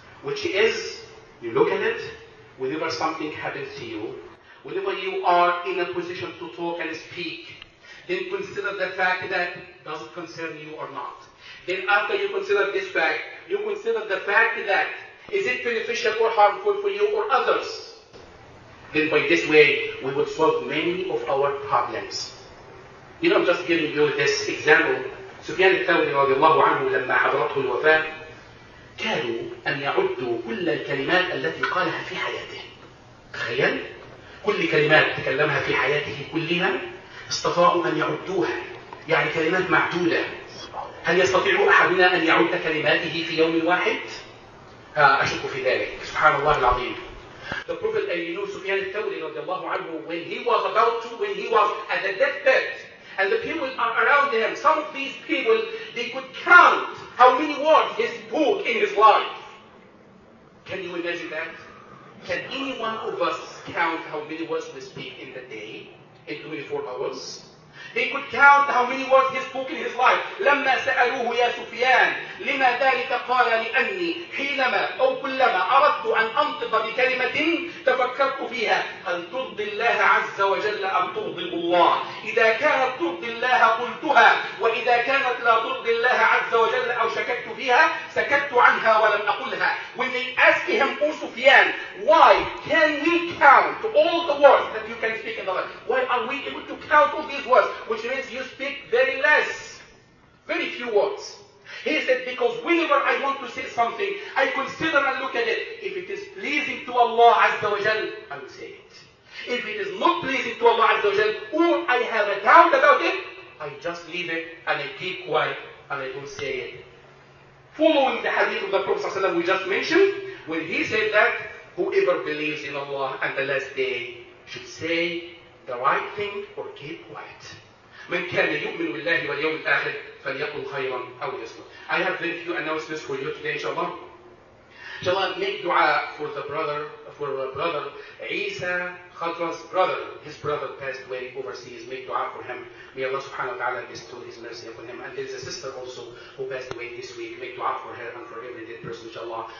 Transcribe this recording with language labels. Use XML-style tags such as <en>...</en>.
<en>Which is, you look at it, whenever something happens to you, whenever you are in a position to talk and speak, then consider the fact that does it concern you or not. Then after you consider this fact, you consider the fact that is it beneficial or harmful for you or others. Then by this way, we would solve many of our problems. You know, I'm just giving you this example. Sufyan al-Thawri</en> <ar>رضي الله عنه لما حضرته الوفاة كانوا أن يعدوا كل الكلمات التي قالها في حياته. تخيل كل كلمات تكلمها في حياته كلها استطاعوا أن يعدوها. يعني كلمات معدودة. هل يستطيع أحدنا أن يعد كلماته في يوم واحد؟ أشك في ذلك. سبحان الله العظيم.</ar> <en>The Prophet</en> <ar>سفيان الثوري رضي الله عنه</ar> <en>when he was at the deathbed and the people are around him, some of these people they could count how many words he spoke in his life. Can you imagine that? Can any one of us count how many words we speak in the day, in 24 hours? He could count how many words he spoke in his life.</en> <ar>لما سألوه يا سفيان لما ذلك قال لأني حينما أو كلما أردت أن أنطق بكلمة تفكرت فيها هل ترضي الله عز وجل أم ترضي الله. إذا كانت ترضي الله قلتها وإذا كانت لا ترضي الله عز وجل أو شككت فيها سكت عنها ولم أقلها.</ar> <en>When they ask him, O Sufyan, why can we count all the words that you can speak in the life? Why are we able to count all these words? Which means you speak very less, very few words. He said, because whenever I want to say something, I consider and look at it. If it is pleasing to Allah Azza wa Jal, I will say it. If it is not pleasing to Allah Azza wa Jal, or I have a doubt about it, I just leave it and I keep quiet and I don't say it. Following the hadith of the Prophet we just mentioned, when he said that, whoever believes in Allah and the last day should say the right thing or keep quiet.</en> <ar>من كان يؤمن بالله واليوم الآخر فليقل خيرا أو يصمت.</ar> <en>I have very few announcements for you today, inshallah. Shall I make dua for the brother, for our brother, Isa Khatran's brother. His brother passed away overseas. Make dua for him. May Allah</en> <ar>subhanahu wa ta'ala</ar> <en>bestow his mercy upon him. And there is a sister also who passed away this week. Make dua for her and for every dead person, inshallah.</en>